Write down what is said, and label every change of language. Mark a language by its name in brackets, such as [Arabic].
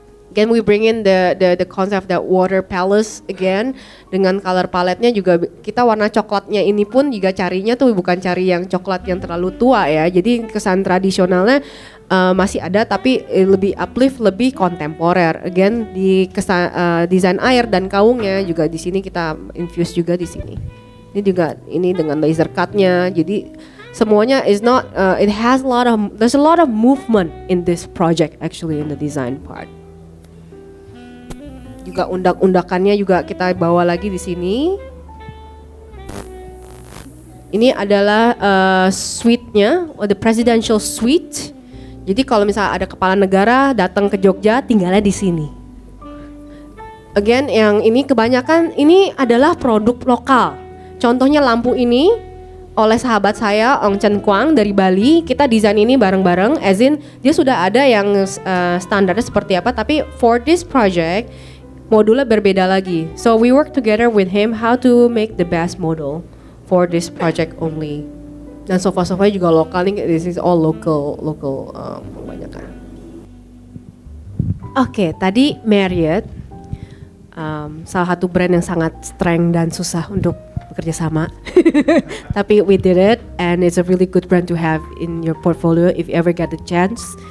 [English] Again, we bring in the concept that water palace again. [Indonesian] Dengan color palette-nya juga, kita warna coklatnya ini pun juga carinya tuh bukan cari yang coklat yang terlalu tua ya. Jadi kesan tradisionalnya masih ada, tapi lebih uplift, lebih kontemporer. Again, di kesan desain air dan kaungnya juga di sini kita infuse juga di sini. Ini juga ini dengan laser cut-nya. [English] Jadi semuanya is not it has a lot of, there's a lot of movement in this project actually in the design part. [Indonesian] Juga undak-undakannya juga kita bawa lagi di sini. Ini adalah suite-nya, [English] the presidential suite. [Indonesian] Jadi kalau misalnya ada kepala negara datang ke Jogja, tinggalnya di sini. Again, yang ini kebanyakan ini adalah produk lokal. Contohnya lampu ini oleh sahabat saya Ong Chen Kuang dari Bali, kita desain ini bareng-bareng. As in, dia sudah ada yang standarnya seperti apa, tapi [English] for this project [Indonesian] modulnya berbeda lagi. [English] So we work together with him how to make the best model for this project only. [Indonesian] Dan sofa-sofa juga lokal nih, [English] this is all local [Indonesian] kebanyakan. Okay, tadi Marriott, salah satu brand yang sangat strong dan susah untuk bekerja sama. [English] Tapi we did it and it's a really good brand to have in your portfolio if you ever get the chance.